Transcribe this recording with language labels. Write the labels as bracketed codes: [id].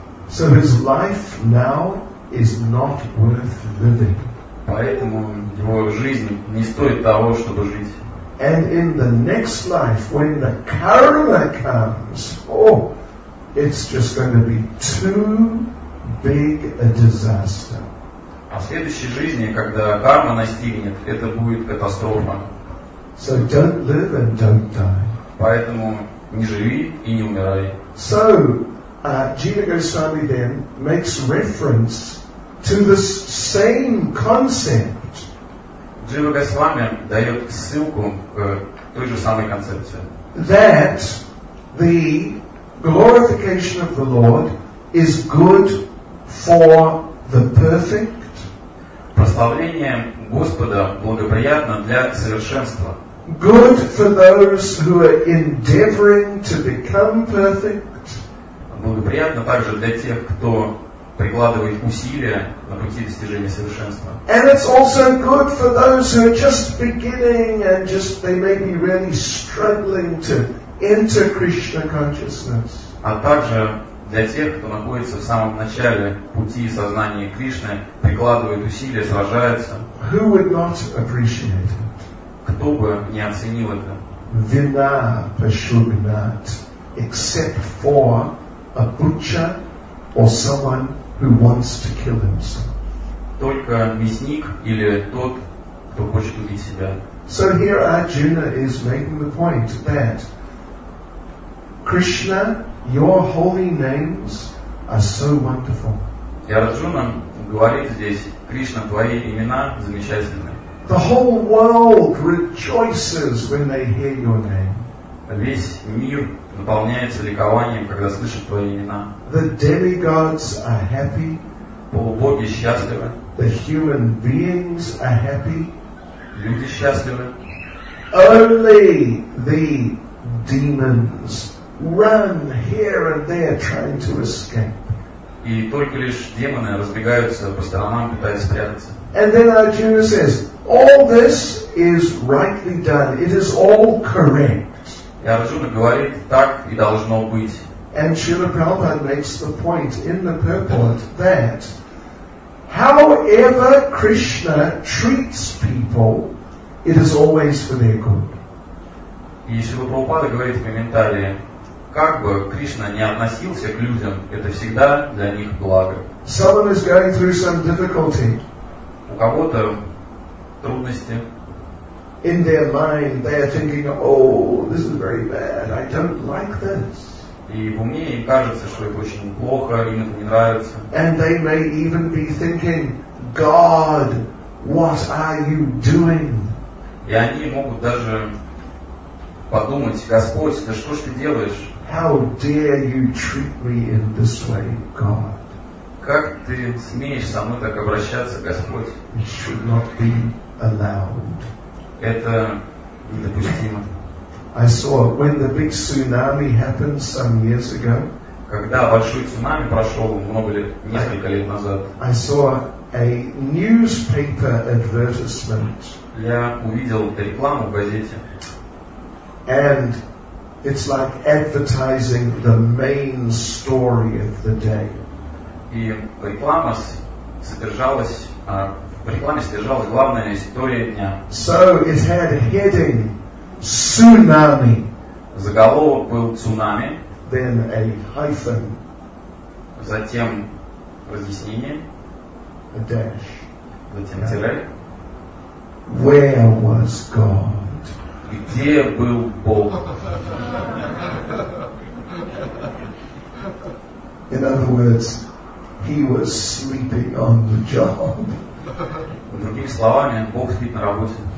[en] So his life now is not worth living. [ru] Поэтому его жизнь не стоит того, чтобы жить. [en] And in the next life, when the karma comes, oh, it's just going to be too big a disaster. [ru] А в следующей жизни, когда карма настигнет, это будет катастрофа. [en] So don't live and don't die. [ru] Поэтому не живи и не умирай. [en] So, Jiva Goswami then makes reference to this same concept. [ru] Джива Госвами дает ссылку к той же самой концепции. [en] That the glorification of the Lord is good for the perfect. [ru] Прославление Господа благоприятно для совершенства. [en] Good for those who are endeavoring to become perfect. [ru] Благоприятно также для тех, кто прикладывает усилия на пути достижения совершенства. [en] And it's also good for those who are just beginning and just they may be really struggling to enter Krishna consciousness. [ru] А также для тех, кто находится в самом начале пути сознания Кришны, прикладывает усилия, сражается. [en] Who would not appreciate it? [ru] Кто бы не оценил это? [sa] Vina pashugnat, [en] except for a butcher or someone who wants to kill himself. [ru] Только мясник или тот, кто хочет убить себя. [en] So here Arjuna is making the point that Krishna, your holy names are so wonderful. [ru] И Арджуна говорит здесь, Кришна, твои имена замечательны. [en] The whole world rejoices when they hear your name. [ru] Весь мир наполняется ликованием, когда слышит твои имена. [en] The demigods are happy. [ru] Полубоги счастливы. [en] The human beings are happy. [ru] Люди счастливы. [en] Only the demons run here and there trying to escape. [ru] И только лишь демоны разбегаются по сторонам, пытаясь спрятаться. [en] And then Arjuna says, all this is rightly done. It is all correct. [ru] И Арджуна говорит, так и должно быть. [en] And Srila Prabhupada makes the point in the purport that however Krishna treats people, it is always for their good. [ru] И Srila Prabhupada говорит в комментарии, как бы Кришна ни относился к людям, это всегда для них благо. [en] Someone is going through some difficulty. [ru] У кого-то трудности. [en] In their mind, they are thinking, "Oh, this is very bad. I don't like this." [ru] И в уме им кажется, что это очень плохо, им это не нравится. [en] And they may even be thinking, "God, what are you doing?" [ru] И они могут даже подумать, Господь, да что ж ты делаешь? [en] How dare you treat me in this way, God? [ru] Как ты смеешь со мной так обращаться, Господь? [en] It should not be allowed. [ru] Это недопустимо. [en] I saw when the big tsunami happened some years ago. [ru] когда большой цунами прошел много лет, несколько лет назад, [en] I saw a newspaper advertisement. [ru] Я увидел рекламу в газете. [en] And it's like advertising the main story of the day. [ru] И реклама содержалась, в рекламе содержалась главная история дня. [en] So it had a heading, tsunami. [ru] Заголовок был цунами. [en] Then a hyphen. [ru] Затем разъяснение. [en] A dash. [ru] Затем тире. [en] Where was God? [ru] Где был Бог? [en] In other words, he was sleeping on the job. [ru] В других словами, Бог спит на работе.